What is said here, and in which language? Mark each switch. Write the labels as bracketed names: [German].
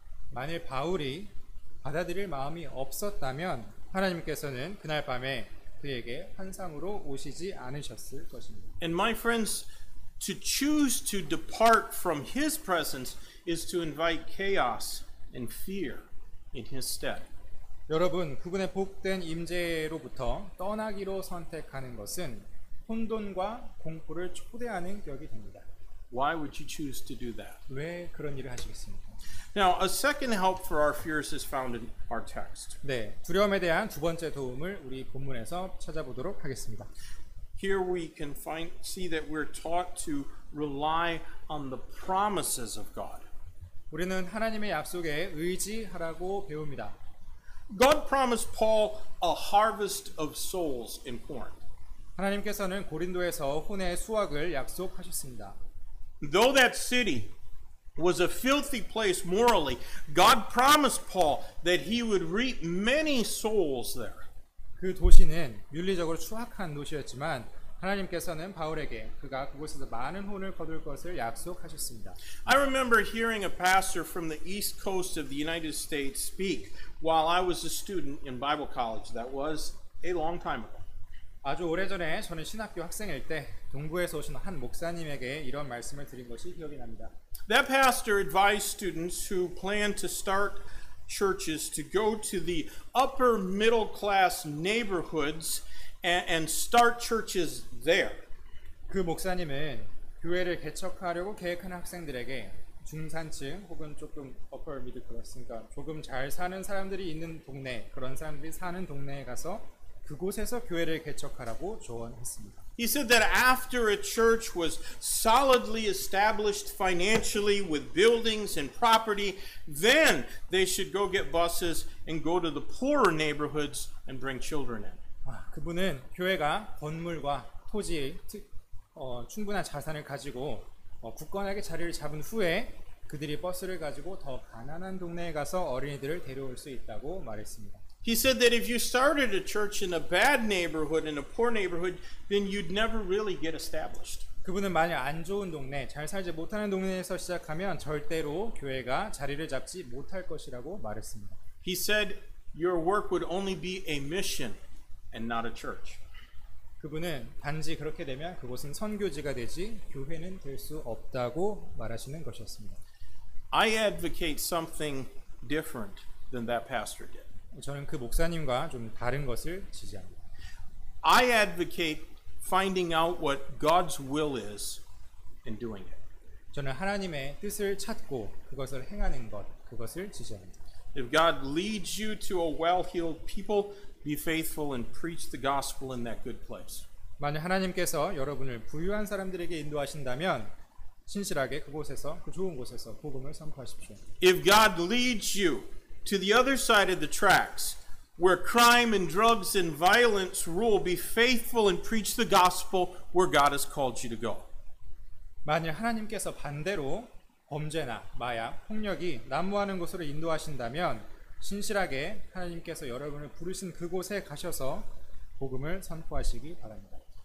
[Korean] 만일 바울이 받아들일 마음이 없었다면 하나님께서는 그날 밤에 그에게 환상으로 오시지 않으셨을 것입니다. [English] And my friends, to choose to depart from his presence is to invite chaos and fear in his stead. [Korean] 여러분, 그분의 복된 임재로부터 떠나기로 선택하는 것은 혼돈과 공포를 초대하는 격이 됩니다. [English] Why would you choose to do that? [Korean] 왜 그런 일을 하시겠습니까? [English] Now, a second help for our fears is found in our text. [Korean] 네, 두려움에 대한 두 번째 도움을 우리 본문에서 찾아보도록 하겠습니다. [English] Here we can find see that we're taught to rely on the promises of God. [Korean] 우리는 하나님의 약속에 의지하라고 배웁니다. [English] God promised Paul a harvest of souls in Corinth. [Korean] 하나님께서는 고린도에서 혼의 수확을 약속하셨습니다. [English] Though that city was a filthy place morally, God promised Paul that he would reap many souls there. [Korean] 그 도시는 윤리적으로 추악한 도시였지만 하나님께서는 바울에게 그가 그곳에서 많은 혼을 거둘 것을 약속하셨습니다. [English] I remember hearing a pastor from the East Coast of the United States speak while I was a student in Bible college. That was a long time ago. [Korean] 아주 오래전에 저는 신학교 학생일 때 동부에서 오신 한 목사님에게 이런 말씀을 드린 것이 기억이 납니다. [English] That pastor advised students who plan to start churches to go to the upper middle class neighborhoods and start churches there. [Korean] 그 목사님은 교회를 개척하려고 계획하는 학생들에게 중산층 혹은 조금 [English] upper middle class, [Korean] 그러니까 조금 잘 사는 사람들이 있는 동네, 그런 사람들이 사는 동네에 가서 그곳에서 교회를 개척하라고 조언했습니다. [English] He said that after a church was solidly established financially with buildings and property, then they should go get buses and go to the poorer neighborhoods and bring children in. [Korean] 아, 그분은 교회가 건물과 토지, 충분한 자산을 가지고 굳건하게 자리를 잡은 후에 그들이 버스를 가지고 더 가난한 동네에 가서 어린이들을 데려올 수 있다고 말했습니다. [English] He said that if you started a church in a bad neighborhood, in a poor neighborhood, then you'd never really get established. [Korean] 그분은 만약 안 좋은 동네, 잘 살지 못하는 동네에서 시작하면 절대로 교회가 자리를 잡지 못할 것이라고 말했습니다. [English] He said your work would only be a mission and not a church. [Korean] 그분은 단지 그렇게 되면 그곳은 선교지가 되지 교회는 될 수 없다고 말하시는 것이었습니다. [English] I advocate something different than that pastor did. [Korean] 저는 그 목사님과 좀 다른 것을 지지합니다. [English] I advocate finding out what God's will is and doing it. [Korean] 저는 하나님의 뜻을 찾고 그것을 행하는 것, 그것을 지지합니다. [English] If God leads you to a well-heeled people, be faithful and preach the gospel in that good place. [Korean] 만약 하나님께서 여러분을 부유한 사람들에게 인도하신다면 신실하게 그곳에서, 그 좋은 곳에서 복음을 선포하십시오. [English] If God leads you to the other side of the tracks where crime and drugs and violence rule, be faithful and preach the gospel where God has called you to go. [Korean] 만약 하나님께서 반대로 범죄나 마약, 폭력이 난무하는 곳으로 인도하신다면 신실하게 하나님께서 여러분을 부르신 그곳에 가셔서 복음을 선포하시기 바랍니다.